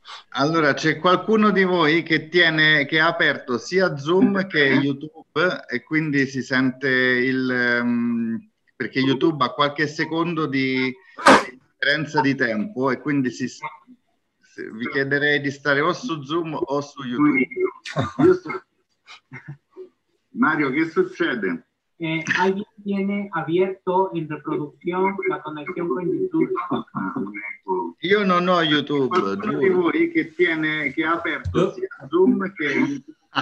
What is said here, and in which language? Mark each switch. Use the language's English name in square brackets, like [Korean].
[Italian] Allora, c'è qualcuno di voi che ha aperto sia Zoom che YouTube e quindi si sente il... perché YouTube ha qualche secondo di differenza di tempo e quindi vi chiederei di stare o su Zoom o su YouTube. Mario, che succede? [Spanish] Alguien tiene abierto in reproducción la conexión con YouTube. [Italian] Io non ho YouTube. Qualcuno di voi che ha aperto sia Zoom che YouTube.